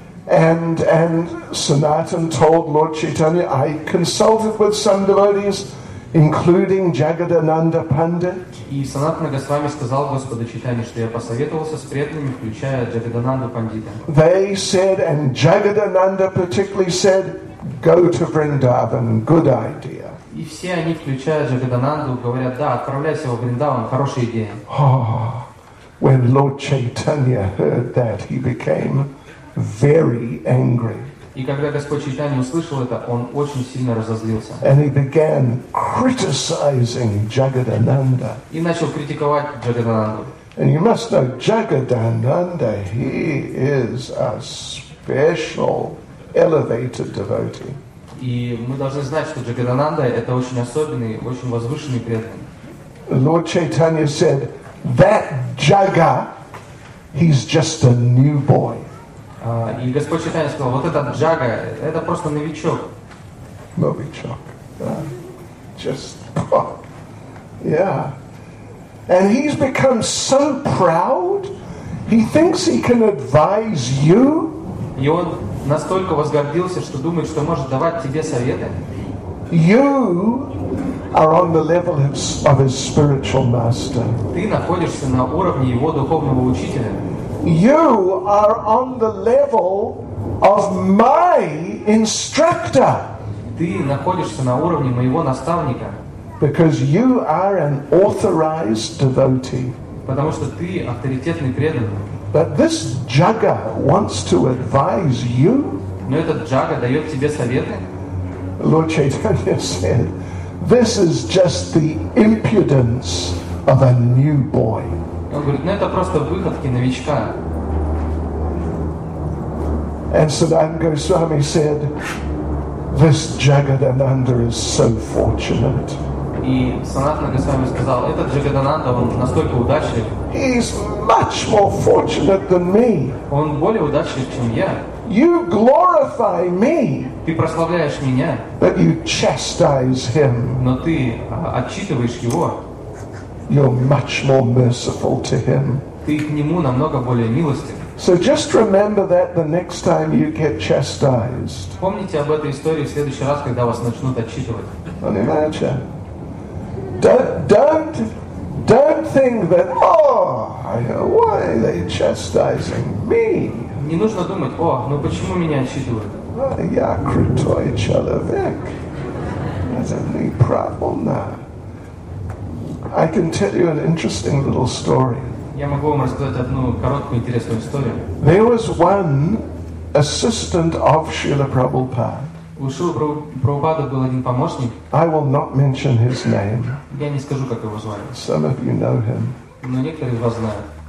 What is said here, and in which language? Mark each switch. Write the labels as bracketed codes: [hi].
[en] And Sanatan told Lord Chaitanya, I consulted with some devotees, including Jagadananda Pandit. [ru] И Санатана Госвами сказал Господу Чайтанье, что я посоветовался с преданными, включая Джагадананду Пандита. [en] They said, and Jagadananda particularly said, go to Vrindavan, good idea. [ru] И все они, включая Джагадананду, говорят, да, отправляйся во Вриндаван, хорошая идея. [en] Oh, when Lord Chaitanya heard that, he became very angry. [ru] И когда Господь Чайтанья услышал это, он очень сильно разозлился. [en] And he began criticizing Jagadananda. [ru] И начал критиковать Джагадананду. [en] And you must know Jagadananda, he is a special elevated devotee. [ru] И мы должны знать, что Джагадананда – это очень особенный, очень возвышенный преданный. [en] Lord Chaitanya said, that Jaga, he's just a new boy. [ru] И Господь Чайтанья сказал, вот этот Джага, это просто новичок. Новичок. [en] Just, yeah. And he's become so proud, he thinks he can advise you. [ru] И он настолько возгордился, что думает, что может давать тебе советы. [en] You are on the level of his spiritual master. [ru] Ты находишься на уровне его духовного учителя. [en] You are on the level of my instructor. [ru] Ты находишься на уровне моего наставника. [en] Because you are an authorized devotee. [ru] Потому что ты авторитетный преданный. [en] But this jaga wants to advise you. [ru] Но этот джага дает тебе советы. [en] Lord Chaitanya said, "This is just the impudence of a new boy." [ru] Он говорит, ну это просто выходки новичка. [en] And Siddhanta Goswami said, "This Jagadananda is so fortunate." [ru] И Санатана Госвами сказал, этот Джагадананда, он настолько удачлив. [en] He is much more fortunate than me. [ru] Он более удачлив, чем я. [en] You glorify me. [ru] Ты прославляешь меня. [en] But you chastise him. [ru] Но ты отчитываешь его. [en] You're much more merciful to him. [ru] Ты к нему намного более милостив. [en] So just remember that the next time you get chastised. [ru] Помните об этой истории в следующий раз, когда вас начнут отчитывать. Понимаете? [en] Don't think that, why are they chastising me? [ru] Не нужно думать, о, ну почему меня отчитывают? Я крутой человек. Это не правильно. [en] I can tell you an interesting little story. [ru] Я могу вам рассказать одну короткую интересную историю. [en] There was one assistant of Srila Prabhupada. [ru] У Шрилы Прабхупады был один помощник. [en] I will not mention his name. [ru] Я не скажу, как его звали. [en] Some of you know him. [ru] Но некоторые из вас знают.